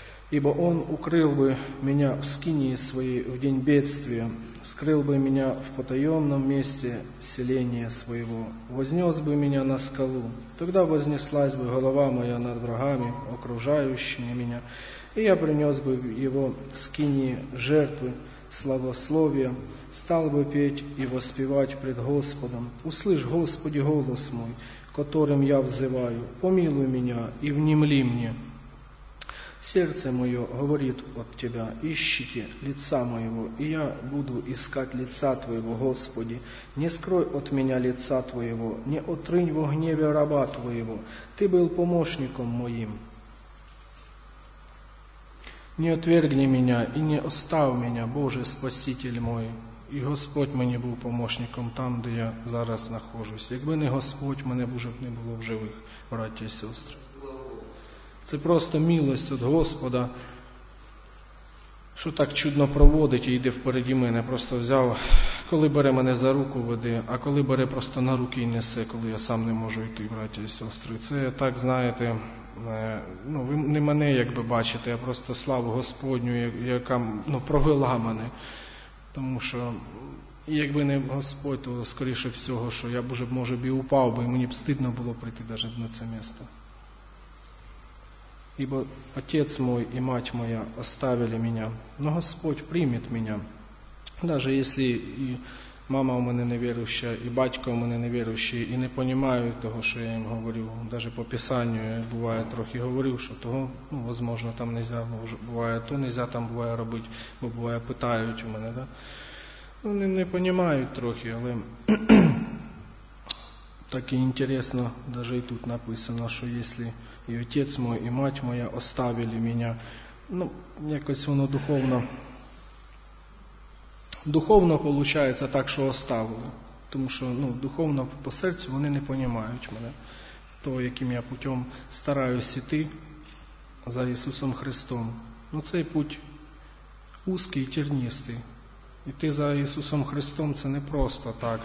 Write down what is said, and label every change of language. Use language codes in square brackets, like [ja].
[uk] Ібо Он укрив би мене в скинії своїй в день бедствия, скрив би мене в потаємному місці селення своєго, вознес би мене на скалу, тоді вознеслась би голова моя над врагами, окружаючими мене, і я принес би в Його скинії жертви, славословія, став би петь і воспівати пред Господом. Услиш, Господи, голос мой, котрим я взиваю, помилуй мене і внімли мені. [ru] Сердце мое говорит от Тебя, ищите лица моего, и я буду искать лица Твоего, Господи. Не скрой от меня лица Твоего, не отрынь во гневе раба Твоего. Ты был помощником моим. Не отвергни меня и не оставь меня, Боже, Спаситель мой. И Господь мне был помощником там, где я зараз нахожусь. [uk] Якби не Господь, мене уже б не було в живых, [ru] братья и сестры. [uk] Це просто милость от Господа, що так чудно проводить і йде впереді мене. Просто взяв, коли бере мене за руку, веде, а коли бере просто на руки і несе, коли я сам не можу йти, браті і сестри. Це так, знаєте, ну, ви не мене, як би бачите, а просто славу Господню, яка, ну, провела мене. Тому що, якби не Господь, то, скоріше всього, що я, Боже, може б і упав би, і мені б стидно було прийти навіть на це місце. [ru] Ибо отец мой и мать моя оставили меня, но Господь примет меня. Даже если и мама у меня неверующая, и батько у меня неверующий, и не понимают того, что я им говорю, даже по Писанию бывает трохи говорю, что того, ну, возможно, там нельзя, может, бывает, то нельзя там бывает робить, бо бывает питают у меня, да. Ну, они не понимают трохи, але так и интересно, даже и тут написано, что если [uk] і отець мій, і мать моя оставили мене. Ну, якось воно духовно. Духовно виходить так, що оставили. Тому що, ну, духовно по серцю вони не розуміють мене. То, яким я путем стараюсь іти за Ісусом Христом. Ну, цей путь узкий, тернистий. Іти за Ісусом Христом – це не просто так.